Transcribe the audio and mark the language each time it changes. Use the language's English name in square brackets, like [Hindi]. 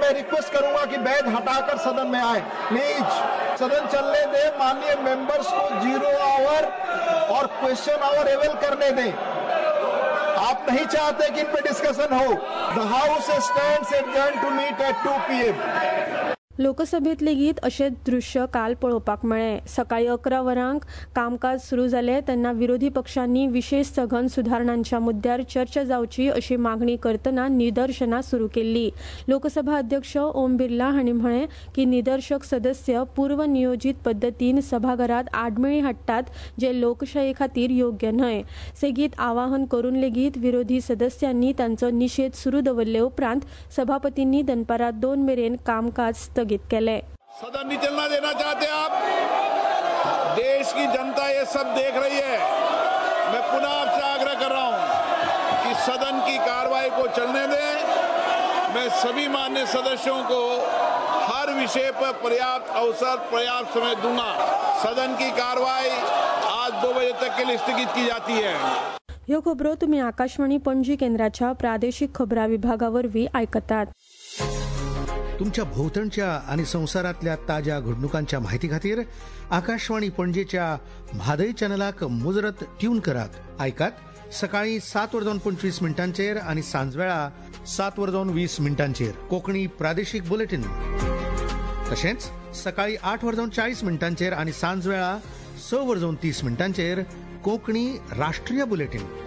[Hindi] मैं रिक्वेस्ट करूंगा कि वैज हटाकर सदन में आए, प्लीज सदन चलने दे। माननीय मेंबर्स को जीरो आवर और क्वेश्चन आवर अवेल करने दे। आप नहीं चाहते कि इन पे डिस्कशन हो। [English] The house stands adjourned to meet at 2 PM। [Goan Konkani] लोकसभेत लेगीत अशे दृश्य काल पळोवपाक मेळ्ळे। सकाळी 11 वरांक कामकाज सुरू जाले तेन्ना विरोधी पक्षांनी विशेष सघन सुधारणांच्या मुद्द्यार चर्चा जावची अशी मागणी करतना निदर्शना सुरू केली। लोकसभा अध्यक्ष ओम बिर्ला हांणी म्हळे की निदर्शक सदस्य पूर्वनियोजित पद्धतीन सभाघरात आडमेळी हाडटात जे लोकशाही खातीर योग्य न्हय। सेगीत आवाहन करून लेगीत विरोधी सदस्यांनी त्यांचा निषेध सुरू दवरले उपरांत सभापतींनी दनपारा 2 मेरेन कामकाज स्थगित केले। [Hindi] सदन नहीं चलना देना चाहते आप, देश की जनता ये सब देख रही है। मैं पुनः आपसे आग्रह कर रहा हूं कि सदन की कार्रवाई को चलने दें। मैं सभी माननीय सदस्यों को हर विषय पर पर्याप्त अवसर पर्याप्त समय दूंगा। सदन की कार्रवाई आज 2 बजे तक के लिए स्थगित की जाती है। [Goan Konkani] यो खबरो तुम्ही आकाशवाणी पणजी केंद्राच्या प्रादेशिक खबरा विभागावरवी ऐकतात। तुमच्या भोवतणच्या आणि संसारातल्या ताज्या घडणुकांच्या माहितीखातीर आकाशवाणी पणजीच्या म्हादई चॅनलाक मुजरत ट्यून करात। ऐकात सकाळी 7:25 आणि सांजवेळा 7:20 कोकणी प्रादेशिक बुलेटिन, तसेच सकाळी 8:40 आणि सांजवेळा 6:30 कोकणी राष्ट्रीय बुलेटिन।